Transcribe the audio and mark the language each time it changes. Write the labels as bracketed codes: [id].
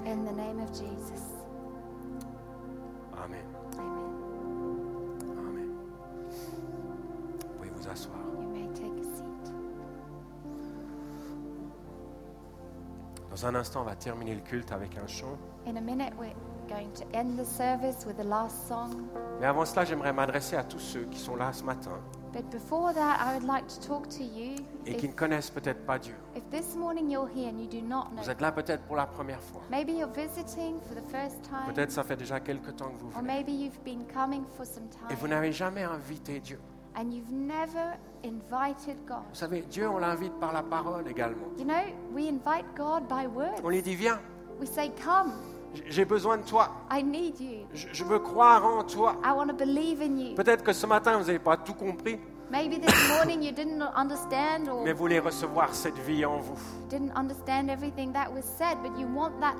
[en] In the name of Jesus. Amen. Amen. [fr] Amen. Vous pouvez vous asseoir. [en] You may take a seat. [fr] Dans un instant, on va terminer le culte avec un chant. [en] In a minute, we're going to end the service with the last song. [fr] Mais avant cela, j'aimerais m'adresser à tous ceux qui sont là ce matin. [en] But before that, I would like to talk to you. [fr] Et qui ne connaissent peut-être pas Dieu. [en] If this morning you're here and you do not know. [fr] Vous êtes là peut-être pour la première fois. [en] Maybe you're visiting for the first time. [fr] Peut-être ça fait déjà quelque temps que vous venez. [en] Or maybe you've been coming for some time. [fr] Et vous n'avez jamais invité Dieu. [en] And you've never invited God. [fr] Vous savez, Dieu, on l'invite par la parole également. [en] You know, we invite God by words. [fr] On lui dit, viens. [en] We say, come. [fr] J'ai besoin de toi. [en] I need you. [fr] Je veux croire en toi. [en] I want to believe in you. [fr] Peut-être que ce matin, vous n'avez pas tout compris. [en] Maybe this morning you didn't understand or [fr] mais vous voulez recevoir cette vie en vous. [en] Didn't understand everything that was said, but you want that